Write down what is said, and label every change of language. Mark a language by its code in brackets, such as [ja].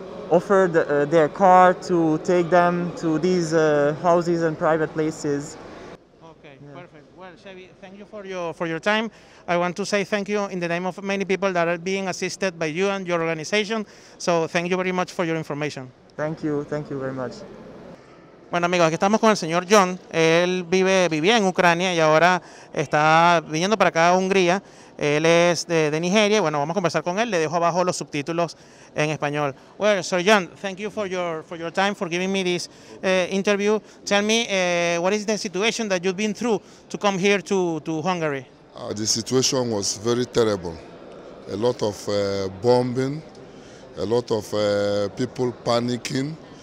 [en] offered their car to take them to these houses and private places. Okay, yeah. Perfect. Well, Chevy, thank you for your time. I want to say thank you in the name of many people that are being assisted by you and your organization. So thank you very much for your information. Thank you very much. [es] Bueno, amigos, aquí estamos con el señor John. Él vivía en Ucrania y ahora está viniendo para acá a Hungría. Él es de Nigeria. Bueno, vamos a conversar con él. Le dejo abajo los subtítulos en español. [en] Well, Sir John, thank you for your time, for giving me this interview. Tell me, what is the situation that you've been through to come here to Hungary? The situation was very terrible. A lot of bombing, a lot of people panicking.